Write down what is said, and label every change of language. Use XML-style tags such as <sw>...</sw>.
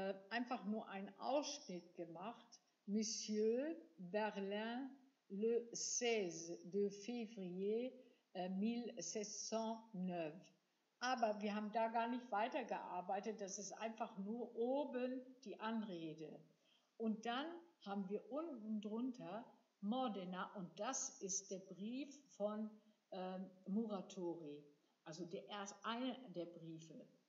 <de>einfach nur einen Ausschnitt gemacht.</de> <fr>Monsieur Berlin, le 16 de février 1609.</fr> <de>Aber wir haben da gar nicht weitergearbeitet, das ist einfach nur oben die Anrede. Und dann haben wir unten drunter Modena, und das ist der Brief von Muratori, also der erst einer der Briefe.</de>